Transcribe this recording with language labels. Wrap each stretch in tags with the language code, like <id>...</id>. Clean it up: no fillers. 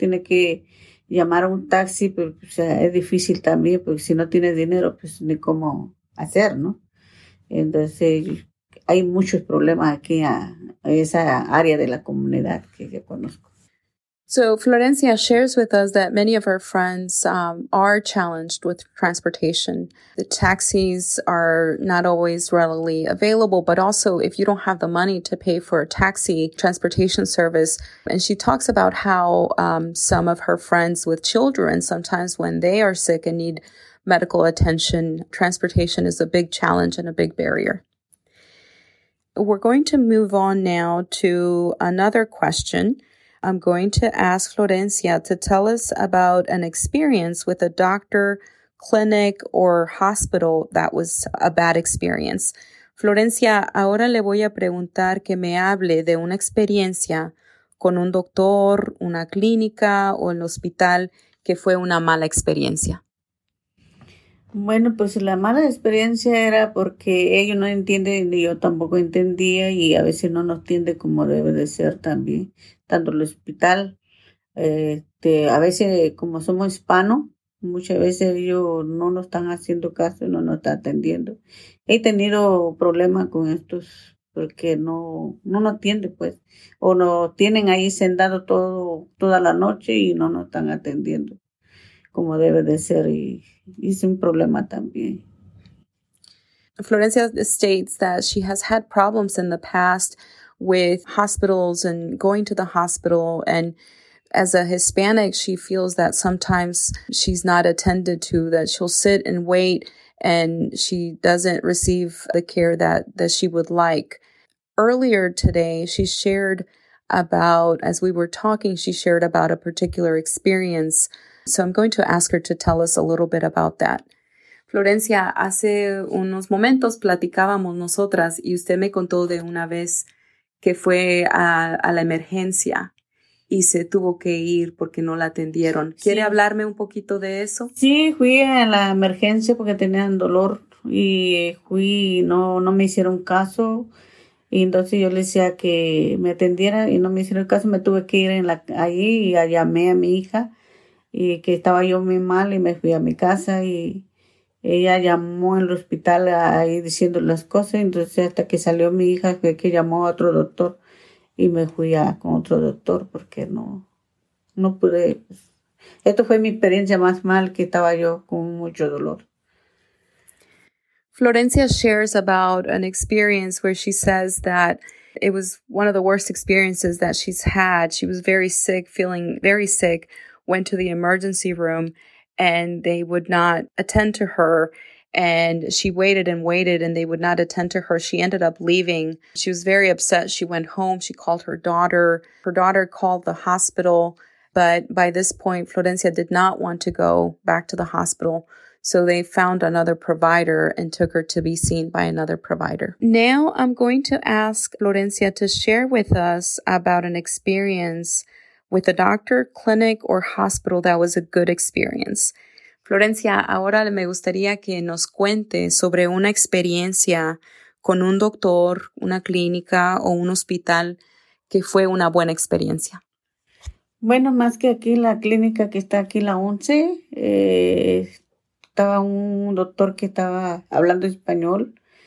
<es>Tiene que llamar a un taxi, pero pues, es difícil también, porque si no tiene dinero, pues ni cómo hacer, ¿no? Entonces, hay muchos problemas aquí en esa área de la comunidad que yo conozco.</es> <en>So, Florencia shares with us that many of her friends are challenged with transportation. The taxis are not always readily available, but also if you don't have the money to pay for a taxi transportation service. And she talks about how some of her friends with children, sometimes when they are sick and need medical attention, transportation is a big challenge and a big barrier. We're going to move on now to another question. I'm going to ask Florencia to tell us about an experience with a doctor, clinic, or hospital that was a bad experience.</en> <es>Florencia, ahora le voy a preguntar que me hable de una experiencia con un doctor, una clínica, o el hospital que fue una mala experiencia. Bueno, pues la mala experiencia era porque ellos no entienden y yo tampoco entendía y a veces no nos entiende como debe de ser también. Tanto el hospital, a veces como somos hispanos, muchas veces ellos no nos están haciendo caso, no nos están atendiendo. He tenido problemas con estos porque no nos atienden, pues. O nos tienen ahí sentados toda la noche y no nos están atendiendo como debe de ser y es un problema también.</es> <en>Florencia states that she has had problems in the past with hospitals and going to the hospital. And as a Hispanic, she feels that sometimes she's not attended to, that she'll sit and wait and she doesn't receive the care that she would like. Earlier today, she shared about, as we were talking, she shared about a particular experience. So I'm going to ask her to tell us a little bit about that.</en> <es>Florencia, hace unos momentos platicábamos nosotras y usted me contó de una vez que fue a la emergencia y se tuvo que ir porque no la atendieron. ¿Quiere hablarme un poquito de eso? Sí, fui a la emergencia porque tenían dolor y fui, no me hicieron caso. Y entonces yo le decía que me atendiera y no me hicieron caso. Me tuve que ir ahí y llamé a mi hija y que estaba yo muy mal y me fui a mi casa y ella llamó en el hospital ahí diciendo las cosas. Entonces, hasta que salió mi hija, fue que llamó a otro doctor y me fui con otro doctor porque no pude. Esto fue mi experiencia más mal, que estaba yo con mucho dolor.</es> <en>Florencia shares about an experience where she says that it was one of the worst experiences that she's had. She was very sick, feeling very sick, went to the emergency room, and they would not attend to her. And she waited and waited, and they would not attend to her. She ended up leaving. She was very upset. She went home. She called her daughter. Her daughter called the hospital. But by this point, Florencia did not want to go back to the hospital. So they found another provider and took her to be seen by another provider. Now I'm going to ask Florencia to share with us about an experience with a doctor, clinic, or hospital that was a good experience.</en> <es>Florencia, ahora me gustaría que nos cuente sobre una experiencia con un doctor, una clínica o un hospital que fue una buena experiencia. Bueno, más que aquí la clínica que está aquí, la 11, estaba un doctor que estaba hablando español.</es>